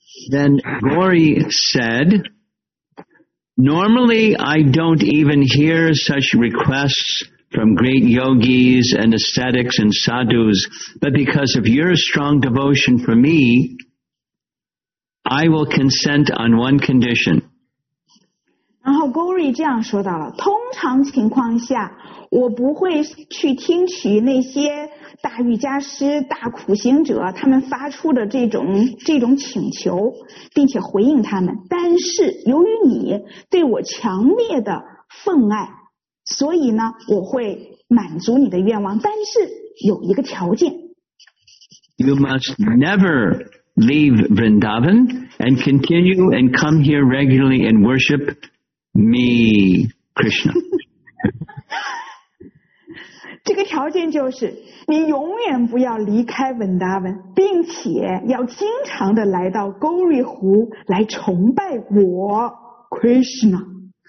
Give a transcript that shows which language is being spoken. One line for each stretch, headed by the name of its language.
English: Then Gauri said, normally I don't even hear such requests. From great yogis and ascetics and sadhus, but because of your strong devotion for me, I will consent on one condition.
Chinese: 然后 Gauri 这样说到了，通常情况下，我不会去听取那些大瑜伽师、大苦行者他们发出的这种请求，并且回应他们。但是由于你对我强烈的奉爱。所以呢，我会满足你的愿望，但是有一个条件。
English: You must never leave Vrindavan and continue and come here regularly and worship me, Krishna.
Chinese: 这个条件就是，你永远不要离开 Vrindavan， 并且要经常的来到 Gauri 湖来崇拜我 ，Krishna。